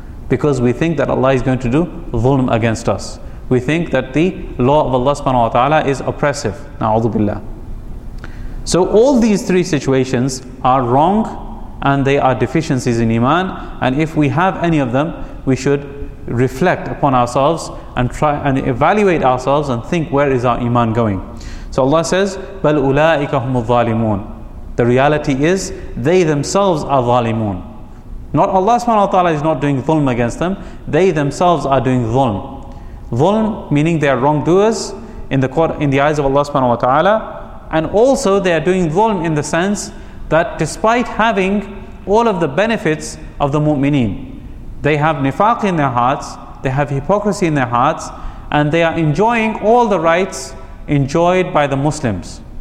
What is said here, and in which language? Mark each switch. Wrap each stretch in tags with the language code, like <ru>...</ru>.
<en>Because we think that Allah is going to do dhulm against us. We think that the law of Allah subhanahu wa ta'ala is oppressive. Na'udhu billah. So all these three situations are wrong and they are deficiencies in iman. And if we have any of them, we should reflect upon ourselves and try and evaluate ourselves and think, where is our iman going? So Allah says,</en> <ar>بَلْ أُولَٰئِكَ هُمُ الظَّالِمُونَ.</ar> <en>The reality is, they themselves are ظَالِمُونَ. Not Allah subhanahu wa ta'ala is not doing dhulm against them. They themselves are doing dhulm. Dhulm meaning they are wrongdoers in the eyes of Allah subhanahu wa ta'ala. And also they are doing dhulm in the sense that despite having all of the benefits of the mu'mineen, they have nifaq in their hearts, they have hypocrisy in their hearts, and they are enjoying all the rights enjoyed by the Muslims.</en>